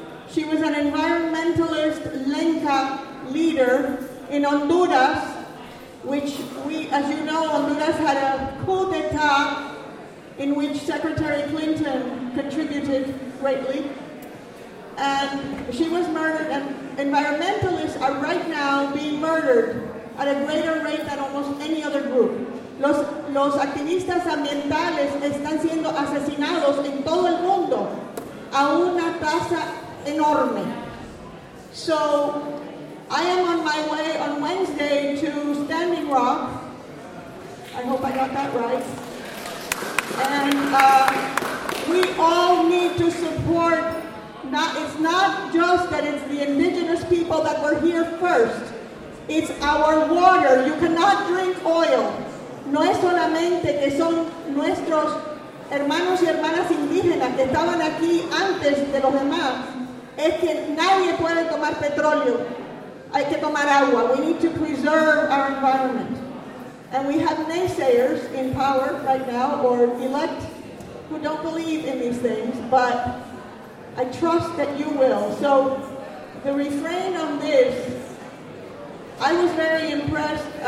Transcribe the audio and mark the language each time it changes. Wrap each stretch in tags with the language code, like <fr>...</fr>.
<en>She was an environmentalist Lenca leader in Honduras, which we, as you know, Honduras had a coup d'etat in which Secretary Clinton contributed greatly. And she was murdered, and environmentalists are right now being murdered at a greater rate than almost any other group.</en> <es>Los activistas ambientales están siendo asesinados en todo el mundo a una tasa enorme.</es> <en>So I am on my way on Wednesday to Standing Rock. I hope I got that right. And we all need to support. Not, it's not just that it's the indigenous people that were here first. It's our water. You cannot drink oil.</en> <es>No es solamente que son nuestros hermanos y hermanas indígenas que estaban aquí antes de los demás. Es que nadie puede tomar petróleo. Hay que tomar agua.</es> <en>We need to preserve our environment. And we have naysayers in power right now, or elect, who don't believe in these things, but I trust that you will. So the refrain on this, I was very impressed.</en>